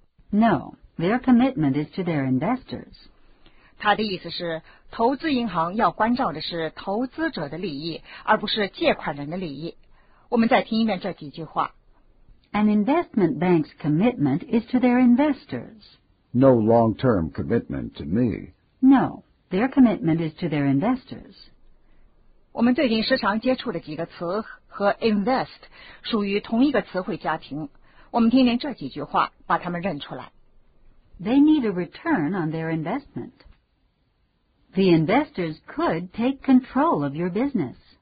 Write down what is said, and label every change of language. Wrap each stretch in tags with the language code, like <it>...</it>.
<en>No, their commitment is to their investors.</en> <zh>她的意思是投资银行要关照的是投资者的利益，而不是借款人的利益。我们再听一遍这几句话。</zh> <en>An investment bank's commitment is to their investors. No long-term commitment to me. No, their commitment is to their investors.</en> <zh>我们最近时常接触的几个词和 invest 属于同一个词汇家庭。我们听听这几句话，把它们认出来。</zh> <en>They need a return on their investment. The investors could take control of your business.</en>